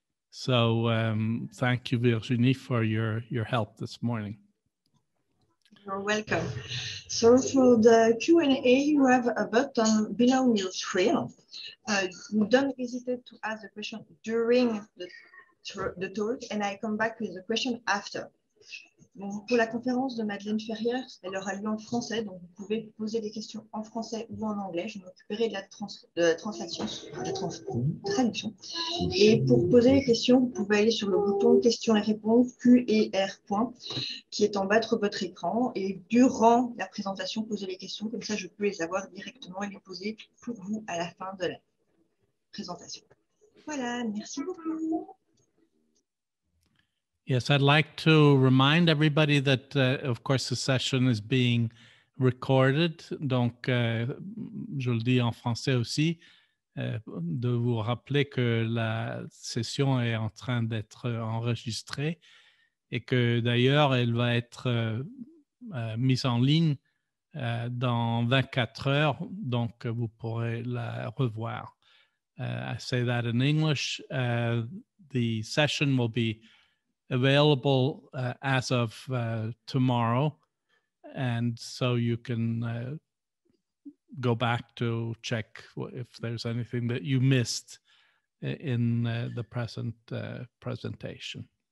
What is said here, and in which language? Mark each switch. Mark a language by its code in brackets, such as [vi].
[en] So thank you, Virginie, for your help this morning. You're welcome. So for the Q&A, you have a button below your screen. Don't hesitate to ask a question during the talk, and I come back with a question after. [fr] Bon, pour la conférence de Madeleine Ferrières, elle aura lieu en français, donc vous pouvez poser des questions en français ou en anglais. Je m'occuperai de la traduction. Et pour poser les questions, vous pouvez aller sur le bouton questions et réponses, Q&R, qui est en bas de votre écran. Et durant la présentation, poser les questions, comme ça je peux les avoir directement et les poser pour vous à la fin de la présentation. Voilà, merci beaucoup. [en] Yes, I'd like to remind everybody that, of course, the session is being recorded. [fr] Donc, je le dis en français aussi, de vous rappeler que la session est en train d'être enregistrée et que d'ailleurs, elle va être mise en ligne dans 24 heures. Donc, vous pourrez la revoir. [en] I say that in English. The session will be available as of tomorrow, and so you can go back to check if there's anything that you missed in the present presentation.